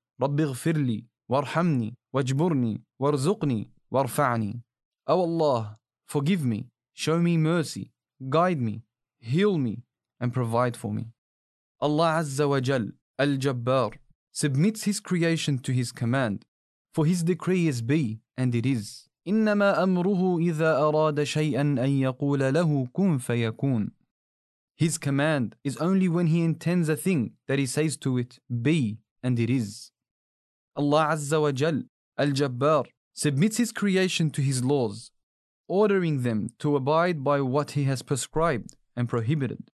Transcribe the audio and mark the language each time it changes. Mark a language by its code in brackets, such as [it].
[ar] Rabbi ighfirli warhamni wajburni warzuqni warfa'ni. [en] O Allah, forgive me, show me mercy, guide me, heal me, and provide for me. Allah Azza wa Jal, Al-Jabbar, submits his creation to his command, for his decree is be, and it is. [ar] إِنَّمَا أَمْرُهُ إِذَا أَرَادَ شَيْئًا أَن يَقُولَ لَهُ كُنْ فَيَكُونَ. [en] His command is only when he intends a thing that he says to it, be, and it is. Allah Azza wa Jal, Al-Jabbar, submits his creation to his laws, ordering them to abide by what he has prescribed and prohibited.